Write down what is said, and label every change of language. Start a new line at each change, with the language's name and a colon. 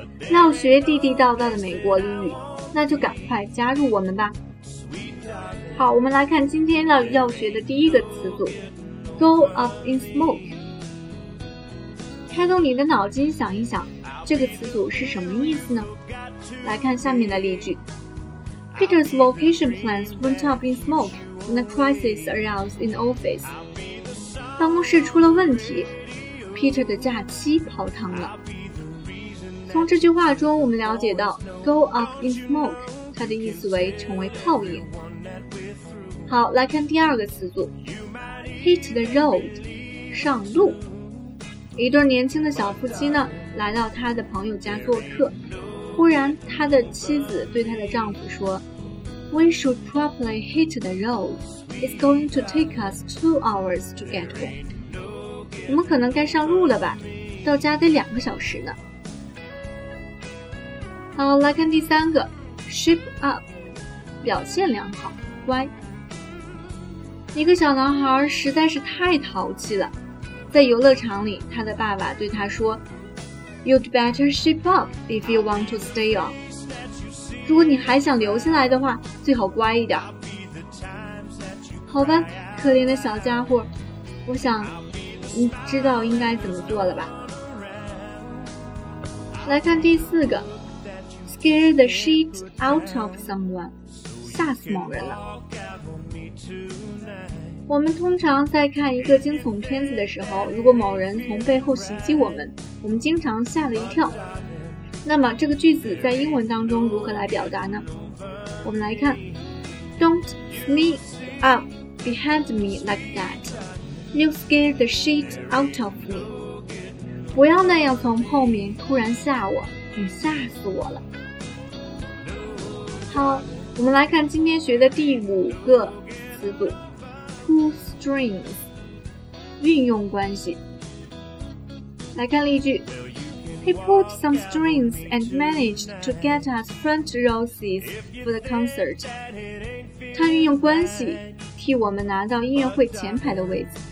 Chinese: 要学地地道道的美国俚语，那就赶快加入我们吧。好，我们来看今天的要学的第一个词组， Go up in smoke。开动你的脑筋想一想，这个词组是什么意思呢？来看下面的例句。
English: Peter's vacation plans went up in smoke when a crisis arose in the office。
Chinese: 办公室出了问题， Peter 的假期泡汤了。从这句话中我们了解到， Go up in smoke， 它的意思为成为泡影。好，来看第二个词组， Hit the road， 上路。一对年轻的小夫妻呢，来到他的朋友家做客，忽然他的妻子对他的丈夫说，
English: We should properly hit the road. It's going to take us 2 hours to get home.
Chinese: 我们可能该上路了吧，到家得2个小时呢。好，来看第三个， Ship up， 表现良好，乖。一个小男孩实在是太淘气了，在游乐场里，他的爸爸对他说，
English: You'd better ship up if you want to stay on。
Chinese: 如果你还想留下来的话，最好乖一点。好吧，可怜的小家伙，我想你知道应该怎么做了吧。来看第四个， Scare the shit out of someone，吓死某人了。我们通常在看一个惊悚片子的时候，如果某人从背后袭击我们，我们经常吓了一跳。那么这个句子在英文当中如何来表达呢？
English: 我们来看， Don't sneak up behind me like that. You scare the shit out of me.
Chinese: 不要那样从后面突然吓我，你吓死我了。好，我们来看今天学的第五个词组， pull strings， 运用关系。来看例句，
English: He pulled some strings and managed to get us front row seats for the concert。
Chinese: 他运用关系替我们拿到音乐会前排的位置。